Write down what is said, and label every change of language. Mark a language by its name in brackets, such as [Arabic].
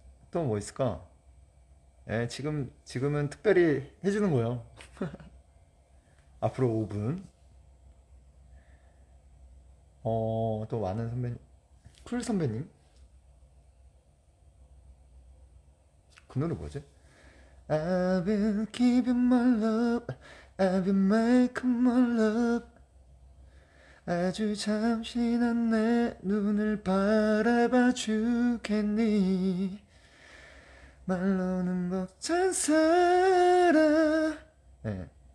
[Korean] 또뭐 있을까? 예, 지금은 특별히 해주는 거예요. 앞으로 5분. 또 많은 선배님, 쿨 선배님. 그 노래 뭐지? [English] I've been giving my love, I've been making my love. [Korean] 아주 잠시만 내 눈을 바라봐 주겠니? 말로는 벅찬 사랑. 네.